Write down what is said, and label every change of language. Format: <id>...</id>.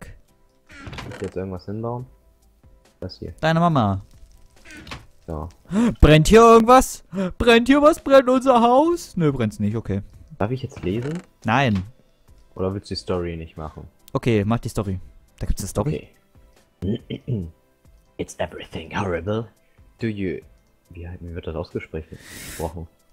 <de>Kann ich jetzt irgendwas hinbauen? Das hier. Deine Mama. Ja. Brennt hier irgendwas? Brennt hier was? Brennt unser Haus? Nö, brennt's nicht, okay. Darf ich jetzt lesen? Nein. Oder willst du die Story nicht machen? Okay, mach die Story. Da gibt's eine Story. Okay.</de> <en>It's everything horrible. Do you...</en> <de>Wie wird das ausgesprochen?</de>